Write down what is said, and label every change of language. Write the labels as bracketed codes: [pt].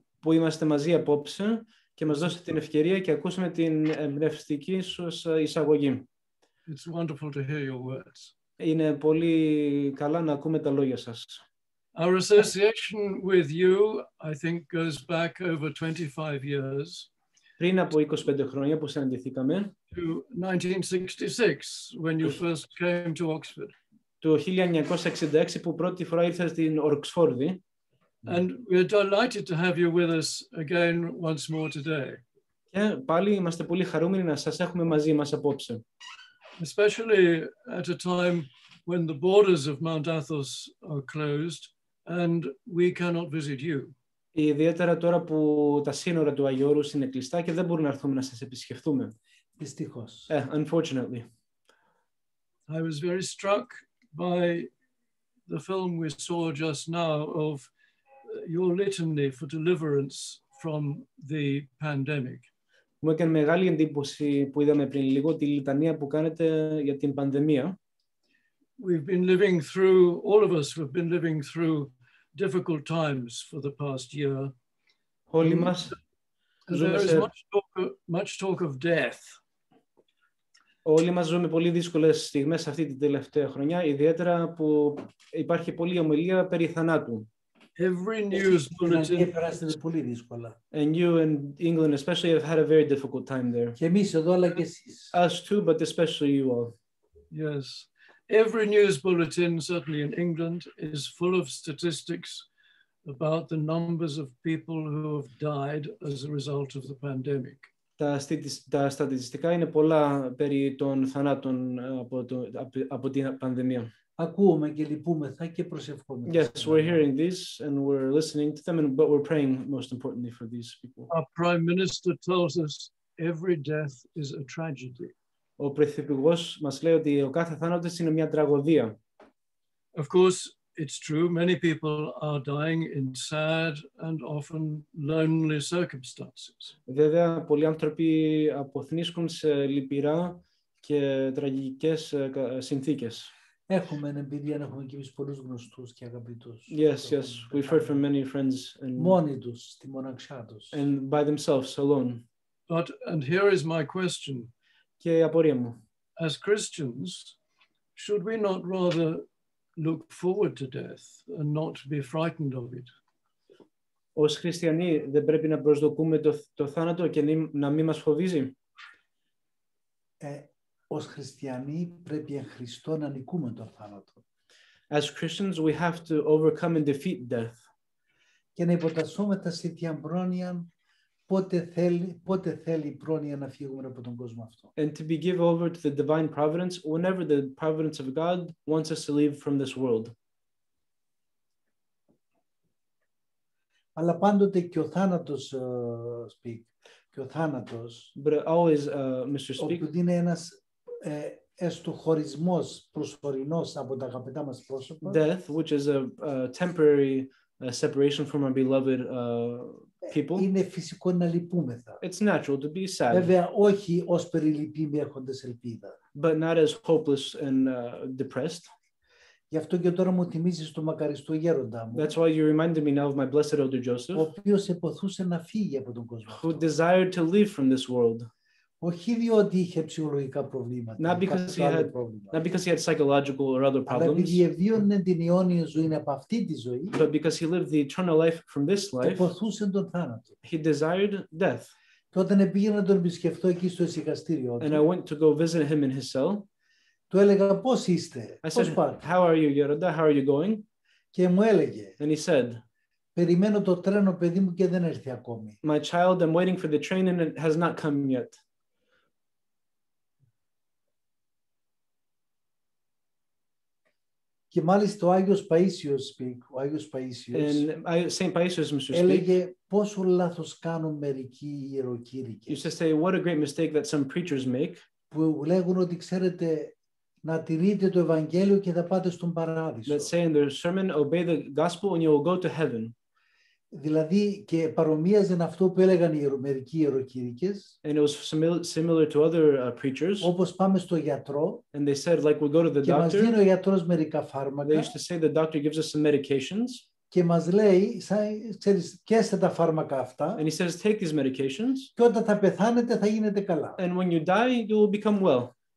[el] Που είμαστε μαζί απόψε και μας δώσατε την ευκαιρία και ακούσαμε την εμπνευστική σας εισαγωγή. [en] It's wonderful to hear your words. [el] Είναι πολύ καλά να ακούμε τα λόγια σας. [en] Our association with you, I think, goes back over 25 years. [el] Πριν από 25 χρόνια που συναντηθήκαμε, [en] to 1966, when you first came to Oxford. [el] Το 1966 που πρώτη φορά ήρθες στην Οξφόρδη. [en] And we're delighted to have you with us again once more today. [el] Και πάλι είμαστε πολύ χαρούμενοι να σας έχουμε μαζί μας απόψε. [en] Especially at a time when the borders of Mount Athos are closed and we cannot visit you. [el] Ιδιαίτερα τώρα που τα σύνορα του Αγίου είναι κλειστά και δεν μπορούμε να έρθουμε να σας επισκεφθούμε. Δυστυχώς. [en] Unfortunately. I was very struck by the film we saw just now of your litany for deliverance from the pandemic. [el] Μου έκανε μεγάλη εντύπωση που είδαμε πριν λίγο τη λιτανία που κάνετε για την πανδημία. [en] We've been living through, all of us have been living through difficult times for the past year. [el] Όλοι μας ζούμε σε... [en] much talk of death. [el] Όλοι μας ζούμε πολύ δύσκολες στιγμές αυτή την τελευταία χρονιά, ιδιαίτερα που υπάρχει πολλή ομιλία περί θανάτου. [en] Every news bulletin. [el] Πολύ δύσκολα. [en] And you in England especially have had a very difficult time there. [el] Και εμείς εδώ, αλλά και εσείς. [en] Us too, but especially you all. Yes. Every news bulletin, certainly in England, is full of statistics about the numbers of people who have died as a result of the pandemic. [el] Τα στατιστικά είναι πολλά περί των θανάτων από την πανδημία. Ακούμε και λυπούμεθα και προσευχόμεθα. [en] Yes, we're hearing these and we're listening to them, but we're praying most importantly for these people. Our Prime Minister tells us every death is a tragedy. [el] Ο Πρωθυπουργός μας λέει ότι ο κάθε θάνατος είναι μια τραγωδία. [en] Of course, it's true. Many people are dying in sad and often lonely circumstances. [el] Βέβαια, πολλοί άνθρωποι αποθνίσκουν σε λυπηρά και τραγικές συνθήκες. Έχουμε εμπειρία να έχουμε και εμείς πολλούς γνωστούς και αγαπητούς. [en] Yes, yes. We've heard from many friends. And [el] μόνοι τους, στη μοναξιά τους. [en] And by themselves, alone. But, and here is my question. [el] Και η απορία μου. [en] As Christians, should we not rather look forward to death and not be frightened of it? [el] Ως χριστιανοί δεν πρέπει να προσδοκούμε το θάνατο και να μην μας φοβίζει. Ως χριστιανοί πρέπει εν Χριστώ να νικούμε τον θάνατο. [en] As Christians, we have to overcome and defeat death. [el] Και να υποτασσούμε τα στήθια πρόνοια πότε θέλει η πρόνοια να φύγουμε από τον κόσμο αυτό. [en] And to be given over to the divine providence whenever the providence of God wants us to leave from this world. [el] Αλλά πάντοτε και ο θάνατος, speak, και ο θάνατος, [en] but always, Mr. Speak, [el] όπου είναι ένας έστω χωρισμός προσωρινός από τα αγαπητά μας πρόσωπα. [en] Death, which is a temporary separation from our beloved people. [el] Είναι φυσικό να λυπούμεθα. [en] It's natural to be sad. [el] Βέβαια, όχι ως περιλυπήμη έχοντας ελπίδα. [en] But not as hopeless and depressed. [el] Γι' αυτό και τώρα μου θυμίζεις το μακαριστό γέροντά μου. [en] That's why you reminded me now of my blessed elder Joseph. [el] Ο οποίος εποθούσε να φύγει από τον κόσμο. [en] Who desired to leave from this world. [el] Όχι διότι είχε ψυχολογικά προβλήματα. [en] Not because he had psychological or other problems. [el] Αλλά επειδή εβίωνε την αιώνια ζωή από αυτή τη ζωή. [en] But because he lived the eternal life from this life. [el] Εποθούσε τον θάνατο. [en] He desired death. [el] Και όταν πήγε να τον επισκεφτώ εκεί στο εισηγαστήριό του. [en] And I went to go visit him in his cell. [el] Του έλεγα πώς είστε, [en] I said, [el] πώς πάτε. [en] How are you, Γεροντά, how are you going? [el] Και μου έλεγε. [en] And he said, [el] περιμένω το τρένο, παιδί μου, και δεν έρθει ακόμη. [en] My child, I'm waiting for the train and it has not come yet. [el] Και μάλιστα ο Άγιος Παΐσιος, ο Άγιος Παΐσιος, [en] Saint Paisios, Mr. [el] έλεγε πόσο λάθος κάνουν μερικοί ιεροκήρυκες. [en] You used to say, what a great mistake that some preachers make. [el] Που λέγουν ότι ξέρετε να τηρείτε το Ευαγγέλιο και θα πάτε στον Παράδεισο. [en] Let's say in their sermon, obey the gospel and you will go to heaven. [el] Δηλαδή και παρομοίαζαν αυτό που έλεγαν οι μερικοί ιεροκήρυκες. [en] And it was similar to other preachers. [el] Όπως πάμε στο γιατρό. [en] And they said, like we go to the [el] και [en] doctor. [el] Και μας δίνει ο γιατρός μερικά φάρμακα. [en] They used to say the doctor gives us some medications. [el] Και μας λέει, ξέρεις, πιέστε τα φάρμακα αυτά. [en] And he says, take these medications. [el] Και όταν θα πεθάνετε θα γίνετε καλά. [en] And when you die, you will become well.